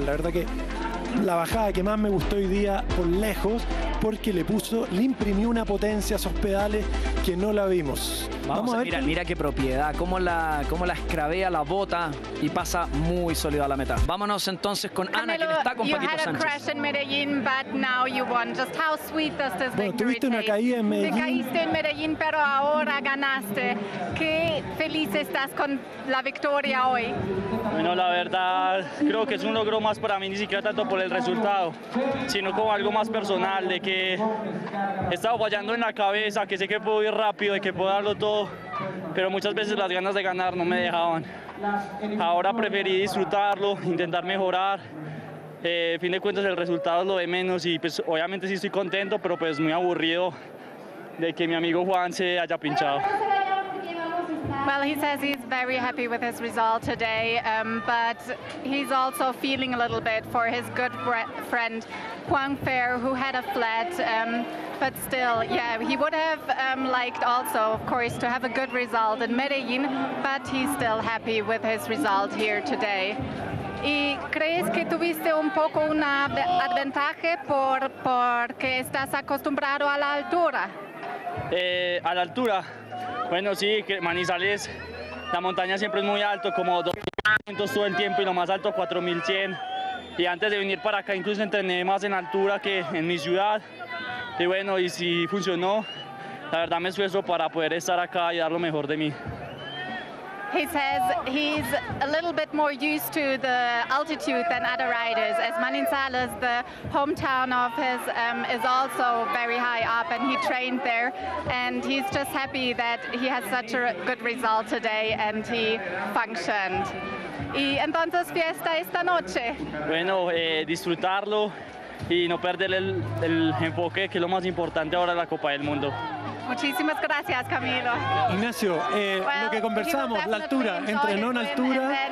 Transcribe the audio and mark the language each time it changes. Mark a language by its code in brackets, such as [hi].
[es] La verdad que la bajada que más me gustó hoy día por lejos, porque le imprimió una potencia a esos pedales que no la vimos. Vamos a ver. Mira qué propiedad, cómo la escrabea la bota y pasa muy sólido a la meta. Vámonos entonces con Ana, Camilo, quien está con Paquito Sánchez. [en] You had a crash in Medellín, but now you won. Just how sweet does this victory taste? [es] Tuviste una caída en Medellín. Te caíste en Medellín, pero ahora ganaste. Qué feliz estás con la victoria hoy. Bueno, la verdad, creo que es un logro más para mí, ni siquiera tanto por el resultado, sino como algo más personal, de que he estado fallando en la cabeza, que sé que puedo ir rápido y que puedo darlo todo, pero muchas veces las ganas de ganar no me dejaban. Ahora preferí disfrutarlo, intentar mejorar. A fin de cuentas, el resultado es lo de menos y pues obviamente sí estoy contento, pero pues muy aburrido de que mi amigo Juan se haya pinchado. [en] Well, he says he's very happy with his result today, but he's also feeling a little bit for his good friend Huang Fer, who had a flat. But still, yeah, he would have liked also, of course, to have a good result in Medellín, but he's still happy with his result here today. [es] ¿Y crees que tuviste un poco una desventaja porque estás acostumbrado a la altura? A la altura. Bueno, sí, que Manizales, la montaña siempre es muy alto, como 2.500 todo el tiempo y lo más alto 4.100. Y antes de venir para acá incluso entrené más en altura que en mi ciudad. Y bueno, y si funcionó, la verdad me esfuerzo para poder estar acá y dar lo mejor de mí. [en] He says he's a little bit more used to the altitude than other riders, as Manizales, the hometown of his, is also very high up, and he trained there. And he's just happy that he has such a good result today and he functioned. [es] ¿Y entonces fiesta esta noche? Bueno, disfrutarlo y no perder el enfoque, que es lo más importante ahora en la Copa del Mundo. Muchísimas gracias, Camilo. Ignacio, lo que conversamos, la altura, entrenó en altura,